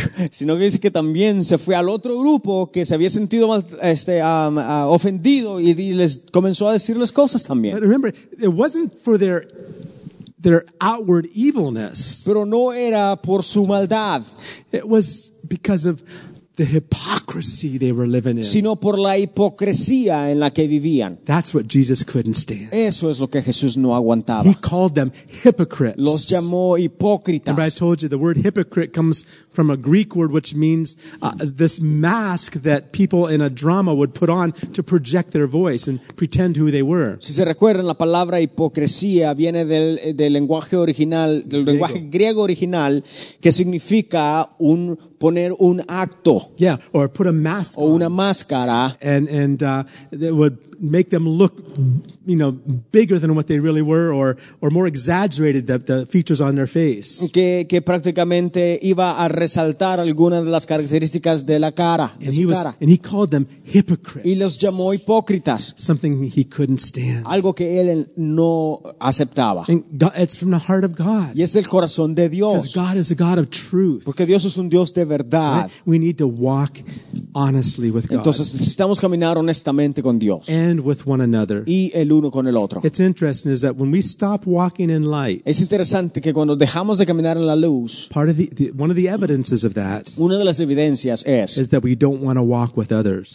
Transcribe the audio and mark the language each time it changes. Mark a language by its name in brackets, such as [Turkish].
[Spanish] Sino que dice que también se fue al otro grupo que se había sentido mal, ofendido y les comenzó a decirles cosas también. [English] But remember, it wasn't for their outward evilness. [Spanish] Pero no era por su maldad. [English] It was because of the hypocrisy they were living in. [Spanish] Sino por la hipocresía en la que vivían. [English] That's what Jesus couldn't stand. [Spanish] Eso es lo que Jesús no aguantaba. [English] He called them hypocrites. [Spanish] Los llamó hipócritas. [English] Remember I told you the word hypocrite comes from a Greek word which means this mask that people in a drama would put on to project their voice and pretend who they were. [Spanish] Si se recuerdan, la palabra hipocresía viene del lenguaje original, del lenguaje griego original, que significa un poner un acto. [English] Yeah, or put a mask [Spanish] o una máscara. [English] And that would make them look, you know, bigger than what they really were, or more exaggerated the features on their face. [Spanish] Que prácticamente iba a resaltar algunas de las características de la cara. [English] And he called them hypocrites. [Spanish] Y los llamó hipócritas. [English] Something he couldn't stand. [Spanish] Algo que él no aceptaba. [English] It's from the heart of God. [Spanish] Y es del corazón de Dios. [English] Because God is a God of truth. [Spanish] Porque Dios es un Dios de verdad. [English] Right? We need to walk honestly with God. [Spanish] Entonces necesitamos caminar honestamente con Dios. [English] And with one another. [Spanish] Y el uno con el otro. [English] It's interesting is that when we stop walking in light. [Spanish] Es interesante que cuando dejamos de caminar en la luz. [English] Part of one of the evidences of that. [Spanish] Una de las evidencias es. [English] Is that we don't want to walk with others.